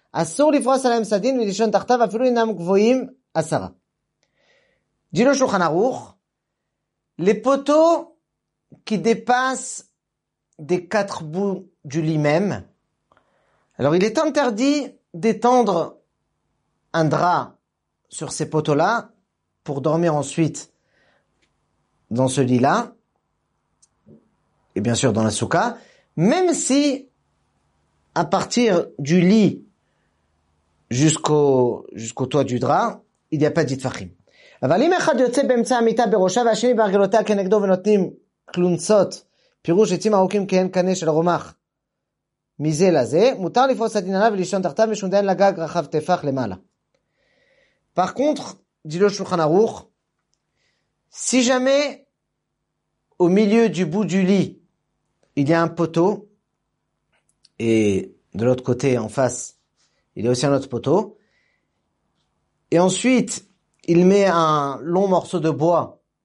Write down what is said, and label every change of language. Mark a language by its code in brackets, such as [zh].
[fr] Dit le Shulchan Aruch, les poteaux qui dépassent des quatre bouts du lit même, alors il est interdit d'étendre un drap sur ces poteaux-là pour dormir ensuite dans ce lit-là, et bien sûr dans la soukha, même si à partir du lit jusqu'au toit du drap, il n'y a pas d'itfachim. [he] אבל אם אחד יוצא באמצע המיטה בראשה והשני ברגלותיה כנגדו ונותנים כלונצות, פירוש עצים ארוכים כהן קנה של רומח מזה לזה, מותר לפרוס סדין עליו ולישון תחתיו ושונדן לגג רחב תפח למעלה. [fr] Par contre, dit le Shulchan Aruch, si jamais au milieu du bout du lit il y a un poteau et de l'autre côté en face il y a aussi un autre poteau, et ensuite il met un long morceau de bois